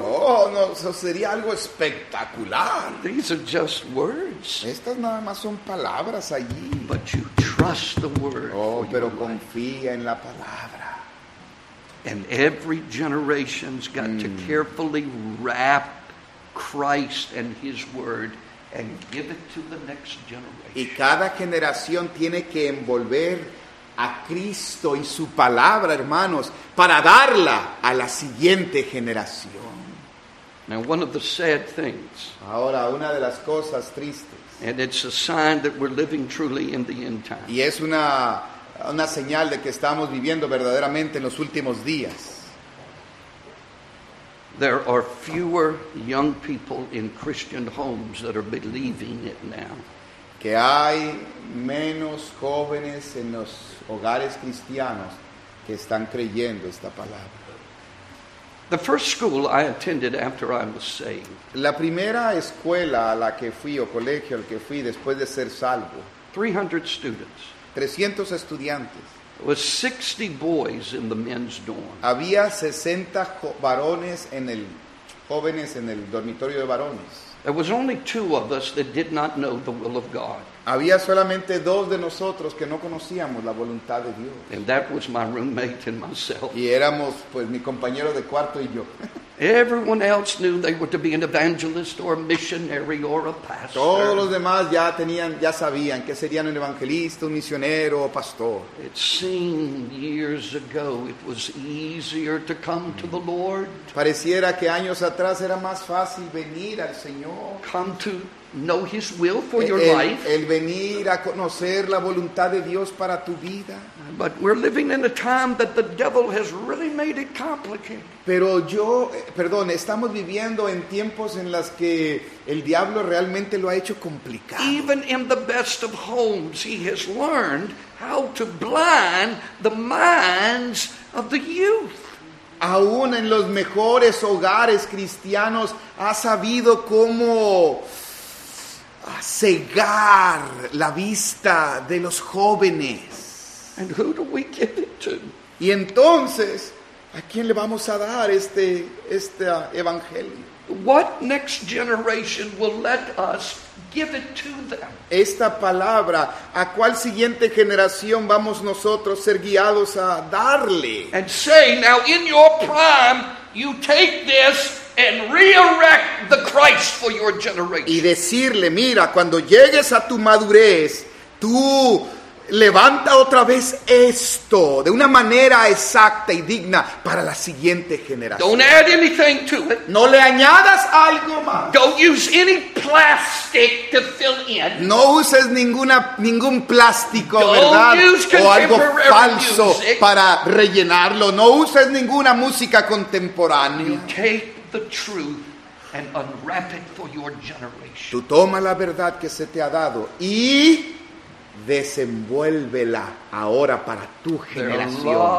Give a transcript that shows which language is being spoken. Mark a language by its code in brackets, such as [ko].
[es] Oh, no, eso sería algo espectacular. [en] These are just words. [es] Estas nada más son palabras allí. [en] But you trust the word. [es] Oh, pero confía en la palabra. [en] And every generation's got to carefully wrap Christ and his word and give it to the next generation. [es] Y cada generación tiene que envolver a Cristo y su palabra, hermanos, para darla a la siguiente generación. [en] Now, one of the sad things. [es] Ahora, una de las cosas tristes. [en] And it's a sign that we're living truly in the end time. [es] Y es una señal de que estamos viviendo verdaderamente en los últimos días. [en] There are fewer young people in Christian homes that are believing it now. [es] Que hay menos jóvenes en los hogares cristianos que están creyendo esta palabra. [en] The first school I attended after I was saved. [es] La primera escuela a la que fui o colegio al que fui después de ser salvo. [en] 300 students. [es] 300 estudiantes. [en] There were 60 boys in the men's dorm. [es] Había 60 varones en el jóvenes en el dormitorio de varones. [en] There was only two of us that did not know the will of God. [es] Había solamente dos de nosotros que no conocíamos la voluntad de Dios. [en] And that was my roommate and myself. [es] Y éramos pues mi compañero de cuarto y yo. [en] Everyone else knew they were to be an evangelist or a missionary or a pastor. [es] Todos los demás ya sabían que serían un evangelista, un misionero o pastor. [en] It seemed years ago it was easier to come to the Lord. [es] Pareciera que años atrás era más fácil venir al Señor. [en] Come to know his will for your life. [es] El venir a conocer la voluntad de Dios para tu vida. [en] But we're living in a time that the devil has really made it complicated. [es] Estamos viviendo en tiempos en las que el diablo realmente lo ha hecho complicado. [en] Even in the best of homes, he has learned how to blind the minds of the youth. [es] Aún en los mejores hogares cristianos, ha sabido cómo cegar la vista de los jóvenes. [en] And who do we give it to? [es] Y entonces, ¿a quién le vamos a dar este evangelio? [en] What next generation will let us give it to them? [es] Esta palabra, ¿a cuál siguiente generación vamos nosotros ser guiados a darle? [en] And say, now in your prime, you take this and re-erect the Christ for your generation. [es] Y decirle, mira, cuando llegues a tu madurez, tú levanta otra vez esto de una manera exacta y digna para la siguiente generación. [en] Don't add anything to it. [es] No le añadas algo más. [en] Don't use any plastic to fill in. [es] No uses ningún plástico, [en] don't [es] ¿verdad? [en] Use [es] o algo falso [en] music. [es] Para rellenarlo. No uses ninguna música contemporánea. [en] You take the truth and unwrap it for your generation. [es] Tú toma la verdad que se te ha dado y desenvuélvela ahora para tu generación.